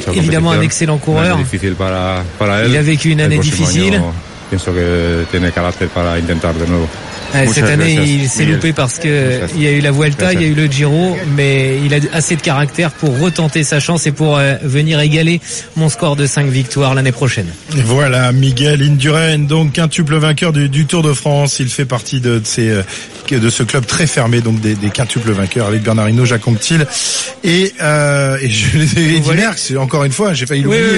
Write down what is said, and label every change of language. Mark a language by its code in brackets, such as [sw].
[fr] évidemment un excellent coureur. [es] Para [fr] il a vécu une année difficile. [es] Año, pienso que tiene carácter para intentar de nuevo. [fr] Cette année, [es] gracias, [fr] il s'est loupé parce qu'il y a eu la Vuelta, il y a eu le Giro, mais il a assez de caractère pour retenter sa chance et pour venir égaler mon score de 5 victoires l'année prochaine. Et voilà, Miguel Indurain, donc quintuple vainqueur du Tour de France. Il fait partie de ce club très fermé, donc des quintuples vainqueurs avec Bernard Hinault, Jacques Anquetil et je l'ai dit voyez, Merckx, encore une fois, j'ai failli l'oublier.